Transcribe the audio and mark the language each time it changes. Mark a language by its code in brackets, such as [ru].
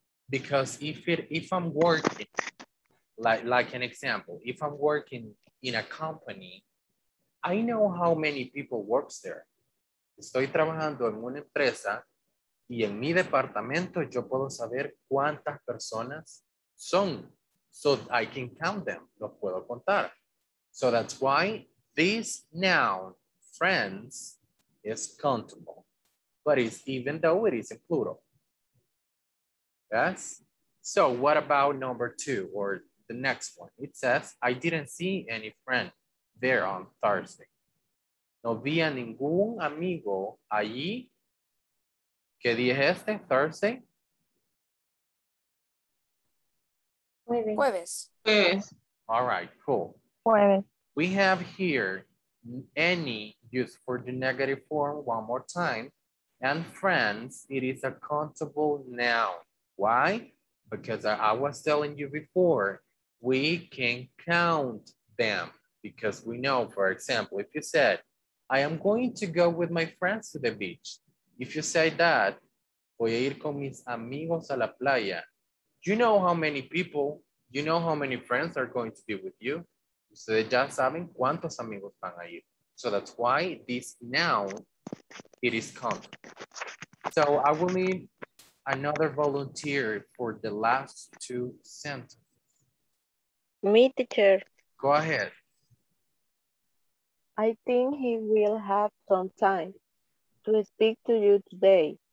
[en] Because if I'm working, like an example, if I'm working in a company, I know how many people works there. [es] Estoy trabajando en una empresa y en mi departamento yo puedo saber cuántas personas son. [en] So I can count them, [es] los puedo contar. [en] So that's why this noun, friends, is countable. But it's even though it is in plural. Yes? So what about number two or the next one? It says, I didn't see any friend there on Thursday. [es] No vi a ningún amigo allí. ¿Qué día es este? Thursday? Jueves. Jueves. [en] All right, cool. [es] Jueves. [en] We have here any used for the negative form one more time. And friends, it is a countable noun. Why? Because I was telling you before, we can count them. Because we know, for example, if you said, I am going to go with my friends to the beach. If you say that, [es] voy a ir con mis amigos a la playa. [en] You know how many people, you know how many friends are going to be with you. [es] Ustedes ya saben cuántos amigos van a ir. [en] So that's why this noun, it is countable. So I will need another volunteer for the last two sentences. Me, teacher. Go ahead. I think he will have some time to speak to you today.